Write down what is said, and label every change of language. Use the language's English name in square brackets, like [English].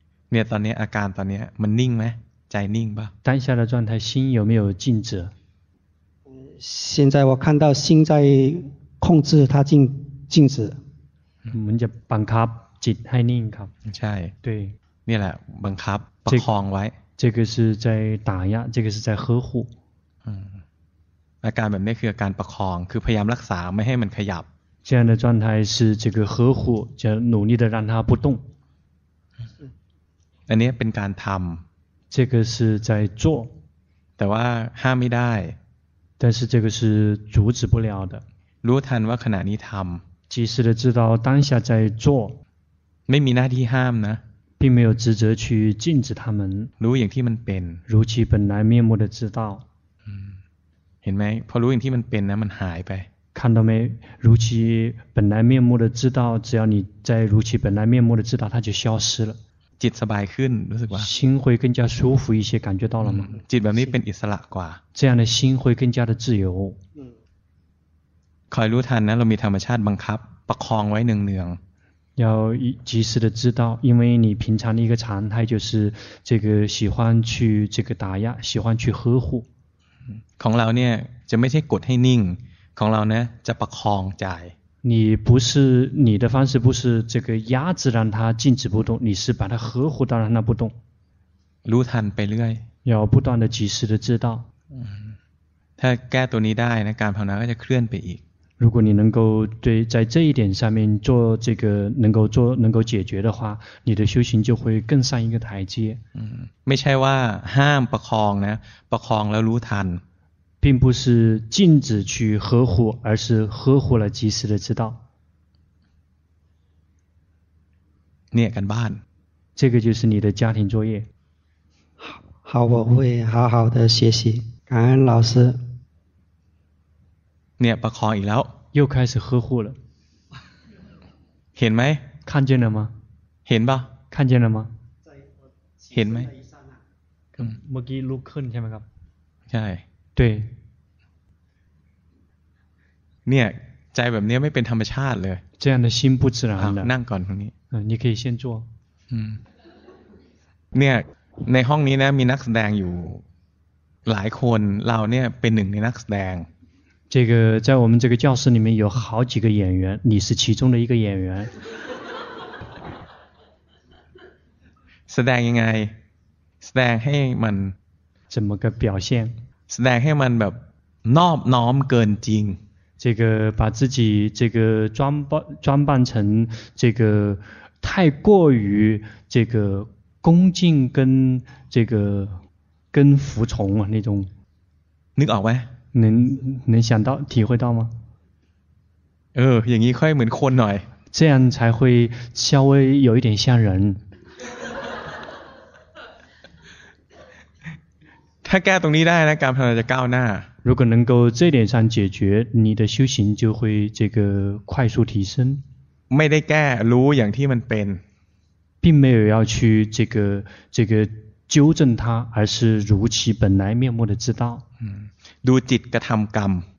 [Thai] เนี่ยตอนนี้อาการตอนนี้มันนิ่งไหมใจนิ่งป่ะ [Chinese] 当下的状态心有没有静止现在我看到心在控制它静止 [Thai] มันจะบังคับจิตให้นิ่งครับ ใช่ [Chinese] 对 [Thai] นี่แหละบังคับประคองไว้ [Chinese] 这个是在打压这个是在呵护 [Thai] อาการแบบนี้คือการประคองคือพยายามรักษาไม่ให้มันขยับ [Chinese] 这样的状态是这个呵护 [Thai] จะ [Chinese] 努力的让它不动 [Thai] อันนี้เป็นการทำ [Chinese] 这个是在做 [Thai] แต่ว่าห้ามไม่ได้ [Chinese] 但是这个是阻止不了的 [Thai] รู้ทันว่าขณะนี้ทำ [Chinese] 及时的知道当下在做 [Thai] ไม่มีหน้าที่ห้ามนะ [Chinese] 并没有职责去禁止他们 [Thai] รู้อย่างที่มันเป็น [Chinese] 如其本来面目的知道 [Thai] เห็นไหมพอรู้อย่างที่มันเป็นนะมันหายไป [Chinese] 看到没如其本来面目的知道只要你在如其本来面目的知道它就消失了 [Thai] จิตสบายขึ้นรู้สึกว่า [Chinese] 心会更加舒服一些感觉到了吗 [Thai] จิตแบบนี้เป็นอิสระกว่า [Chinese] 这样的心会更加的自由 [Thai] คอยรู้ทันนะเรามีธรรมชาติบังคับประคองไว้เนือง [Chinese] ๆ要及时的知道因为你平常的一个常态就是这个喜欢去这个打压喜欢去呵护 [Thai] ของเราเนี่ยจะไม่ใช่กดให้นิ่งของเราเนี่ยจะประคองใจ [Chinese] 你不是你的方式不是这个压制让它静止不动你是把它呵护到让它不动 [Thai] รู้ทันไปเรื่อย [Chinese] 要不断的及时的知道 [Thai] ถ้าแก้ตัวนี้ได้นะการภาวนาก็จะเคลื่อนไปอีก [Chinese] 如果你能够对在这一点上面做这个能够做能够解决的话你的修行就会更上一个台阶 [Thai] ไม่ใช่ว่าห้ามประคองนะประคองแล้วรู้ทัน [Chinese] 并不是禁止去呵护而是呵护了及时的知道 [Thai] เนี่ยกันบ้าน [Chinese] 这个就是你的家庭作业好我会好好的学习感恩老师 [Thai] เนี่ยประคองอีกแล้ว [Chinese] 又开始呵护了 [Thai] เห็นไหม [Chinese] 看见了吗 [Thai] เห็นป่ะ [Chinese] 看见了吗 [Thai] เห็นไหม เมื่อกี้ลุกขึ้นใช่ไหมครับ ใช่ [Chinese] 对 [Thai] เนี่ยใจแบบนี้ไม่เป็นธรรมชาติเลย [Chinese] 这样的心不自然的 [Thai] นั่งก่อนตรงนี้ [Chinese] 你可以先坐 [Thai] เนี่ยในห้องนี้นะมีนักแสดงอยู่หลายคนเราเนี่ยเป็นหนึ่งในนักแสดง [Chinese] 这个在我们这个教室里面有好几个演员你是其中的一个演员 [Thai] แสดงยังไงแสดงให้มัน [Chinese] 怎么个表现 [Thai] แสดงให้มันแบบนอบน้อมเกินจริง [Chinese] 这个把自己这个装扮成这个太过于这个恭敬跟这个跟服从那种 [Thai] นึกออกไหม [Chinese] 能想到体会到吗 [Thai] เอออย่างนี้ค่อยเหมือนคนหน่อย [Chinese] 这样才会稍微有一点像人 [Thai] ถ้าแก้ตรงนี้ได้นะการภาวนาจะก้าวหน้า [Chinese] 如果能够这点上解决你的修行就会这个快速提升 [Thai] ไม่ได้แก้รู้อย่างที่มันเป็น [Chinese] 并没有要去这个纠正他而是如其本来面目的知道 [Thai] ดูจิตกระทำกรรม